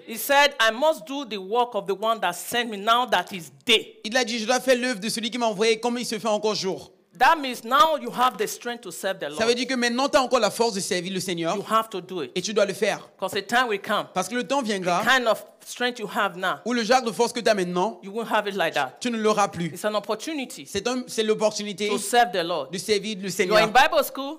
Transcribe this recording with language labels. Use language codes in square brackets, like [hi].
[en] He said, "I must do the work of the one that sent me. Now that is day." [fr] Il a dit, je dois faire l'œuvre de celui qui m'a envoyé, comme il se fait encore jour. [en] That means now you have the strength to serve the Lord. [fr] Ça veut dire que maintenant tu as encore la force de servir le Seigneur. [en] You have to do it. [fr] Et tu dois le faire. [en] Because the time will come. [fr] Parce que le temps viendra. [en] The kind of strength you have now. [fr] Ou le genre de force que tu as maintenant. [en] You won't have it like that. [fr] Tu ne l'auras plus. [en] It's an opportunity. [fr] C'est l'opportunité. [en] To serve the Lord. [fr] De servir le Seigneur. [en] You are in Bible school.